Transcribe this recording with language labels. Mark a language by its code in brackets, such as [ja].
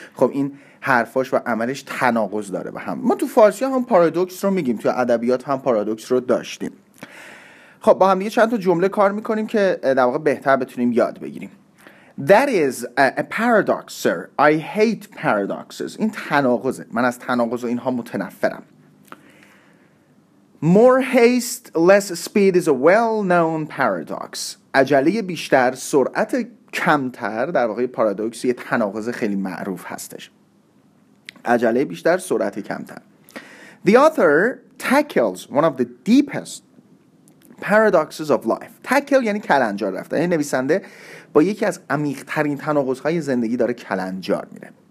[fa] خب این حرفاش و عملش تناقض داره با هم. ما تو فارسی هم پارادوکس رو میگیم، تو ادبیات هم پارادوکس رو داشتیم. خب با هم دیگه چند تا جمله کار میکنیم که در واقع بهتر بتونیم یاد بگیریم. [en] That is a paradox, sir. I hate paradoxes. [fa] این تناقضه. من از تناقض و اینها متنفرم. [en] More haste, less speed is a well-known paradox. [fa] عجله بیشتر، سرعت کمتر، در واقع پارادوکس یه تناقض خیلی معروف هستش. عجله بیشتر، سرعت کمتر. [en] The author tackles one of the deepest paradoxes of life. [fa] Tackle یعنی کلنجار رفته. یعنی نویسنده با یکی از عمیق‌ترین تناقض‌های زندگی داره کلنجار میره.